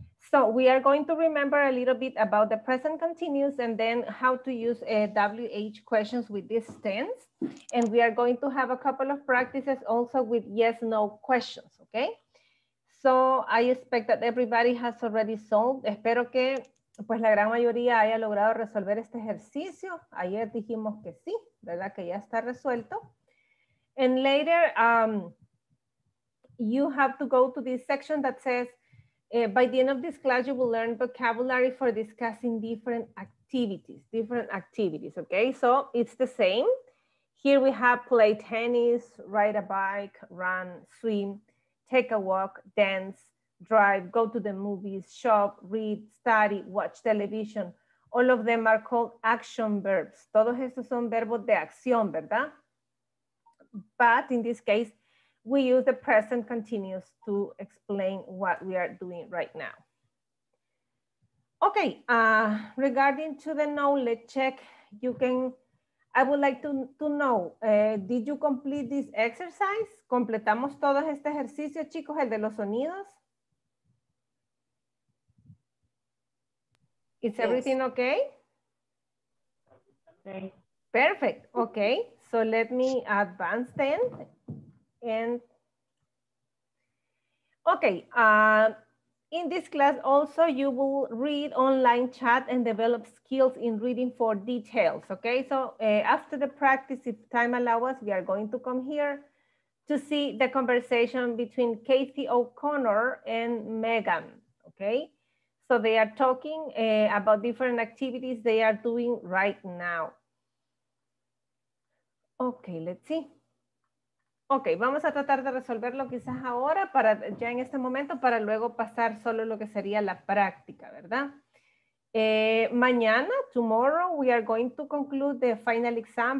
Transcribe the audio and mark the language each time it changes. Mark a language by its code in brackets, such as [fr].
[en] So we are going to remember a little bit about the present continuous and then how to use WH questions with this tense. And we are going to have a couple of practices also with yes, no questions, okay? So I expect that everybody has already solved. [es] Espero que pues la gran mayoría haya logrado resolver este ejercicio. Ayer dijimos que sí, ¿verdad? Que ya está resuelto. [en] And later, you have to go to this section that says, by the end of this class, you will learn vocabulary for discussing different activities, okay? So it's the same. Here we have play tennis, ride a bike, run, swim, take a walk, dance, drive, go to the movies, shop, read, study, watch television. All of them are called action verbs. [es] Todos estos son verbos de acción, ¿verdad? [en] But in this case, we use the present continuous to explain what we are doing right now. Okay, regarding to the knowledge check, I would like to know, did you complete this exercise? [es] ¿Completamos todo este ejercicio, chicos, el de los sonidos? [en] Is everything okay? Okay. Perfect, okay. So let me advance then. And okay, in this class also you will read online chat and develop skills in reading for details, okay? So after the practice, if time allows us, we are going to come here to see the conversation between Kathy O'Connor and Megan, okay? So they are talking about different activities they are doing right now. Okay, let's see. [es] Okay, vamos a tratar de resolverlo quizás ahora para ya en este momento para luego pasar solo lo que sería la práctica, ¿verdad? [en] Mañana, tomorrow, we are going to conclude the final exam.